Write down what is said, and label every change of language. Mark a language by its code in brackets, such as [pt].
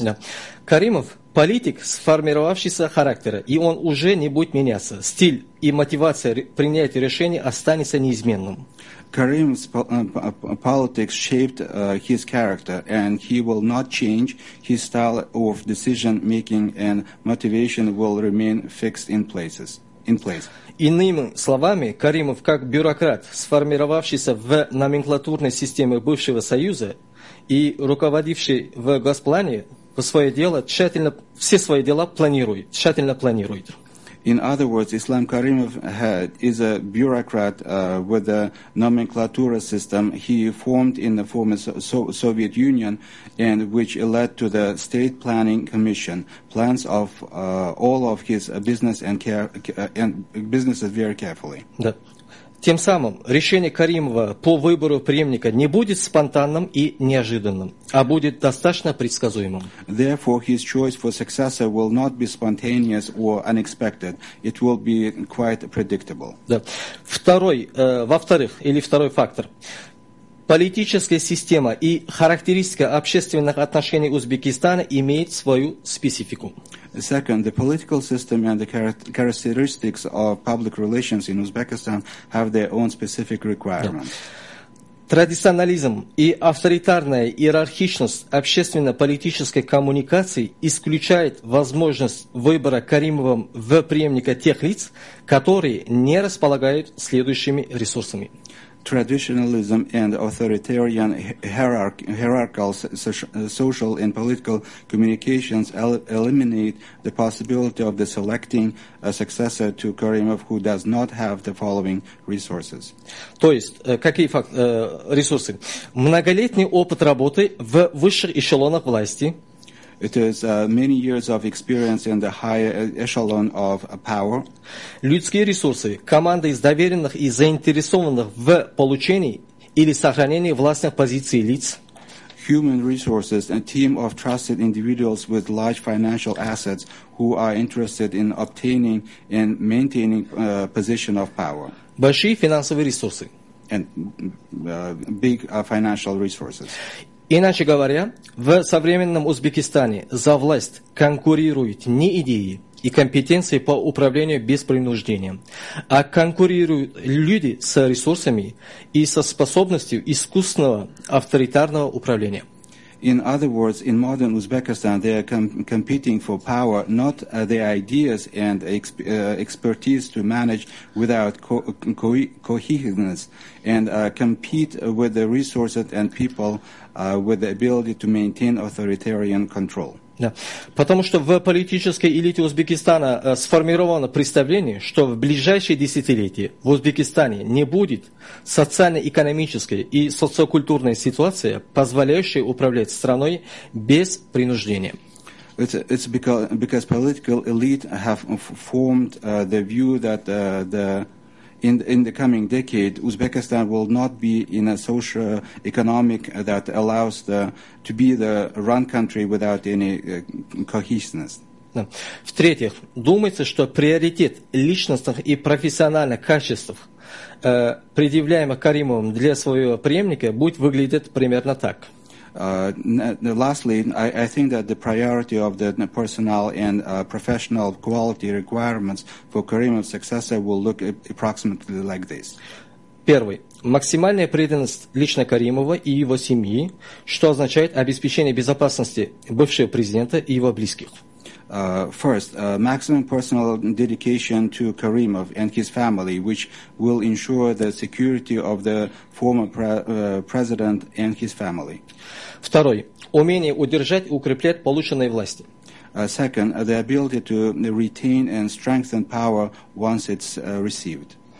[en] Yeah. [ru] Каримов – политик сформировавшийся характера, и он уже не будет меняться. Стиль и мотивация принятия решений останется неизменным. [en] Karimov's politics shaped his character, and he will not change. His style of decision making and motivation will remain fixed in place. [ru] Иными словами, Каримов как бюрократ, сформировавшийся в номенклатурной системе бывшего Союза и руководивший в Госплане, все свои дела тщательно планирует. [en] In other words, Islam Karimov is a bureaucrat with a nomenclatura system he formed in the former Soviet Union and which led to the State Planning Commission. Plans of all of his business and businesses very carefully. [ru] Да. Тем самым, решение Каримова по выбору преемника не будет спонтанным и неожиданным, а будет достаточно предсказуемым. [en] Therefore, his choice for successor will not be spontaneous or unexpected. It will be quite predictable. [ru] Да. Второй фактор. Политическая система и характеристика общественных отношений Узбекистана имеют свою специфику. [en] Second, the political system and the characteristics of public relations in Uzbekistan have their own specific requirements. [ru] Традиционализм и авторитарная иерархичность общественно-политической коммуникации исключают возможность выбора Каримовым в преемника тех лиц, которые не располагают следующими ресурсами. [en] Traditionalism and authoritarian hierarchical social and political communications eliminate the possibility of the selecting a successor to Karimov who does not have the following resources. [ru] То есть, какие ресурсы? Многолетний опыт работы в высших эшелонах власти. [en] It is many years of experience in the higher echelon of power. [ru] Людские ресурсы, команда из доверенных и заинтересованных в получении или сохранении властных позиций лиц. [en] Human resources, a team of trusted individuals with large financial assets who are interested in obtaining and maintaining a position of power. [ru] Большие финансовые ресурсы. [en] And big financial resources. [ru] Иначе говоря, в современном Узбекистане за власть конкурируют не идеи, и компетенции по управлению без принуждения, а конкурируют люди с ресурсами и со способностью искусственного авторитарного управления. [en] In other words, in modern Uzbekistan, they are competing for power, not the ideas and expertise to manage without cohesiveness, and compete with the resources and people with the ability to maintain authoritarian control. [ru] Да. Потому что в политической элите Узбекистана сформировано представление, что в ближайшие десятилетия в Узбекистане не будет социально-экономической и социокультурной ситуации, позволяющей управлять страной без принуждения. [en] It's because political elite have formed the view that the in the coming decade Uzbekistan will not be in a social economic that allows the to be the run country without any cohesiveness. [ru] В-третьих, думается, что приоритет личностных и профессиональных качеств, предъявляемых Каримовым для своего преемника, будет выглядеть примерно так. [en] Lastly, I think that the priority of the personal and professional quality requirements for Karimov's successor will look approximately like this. [ru] Первый. Максимальная преданность лично Каримова и его семьи, что означает обеспечение безопасности бывшего президента и его близких. [en] First, maximum personal dedication to Karimov and his family, which will ensure the security of the former president and his family. [ru] Второй. Умение удержать и укреплять полученные власти. [en] Second, the ability to retain and strengthen power once it's received.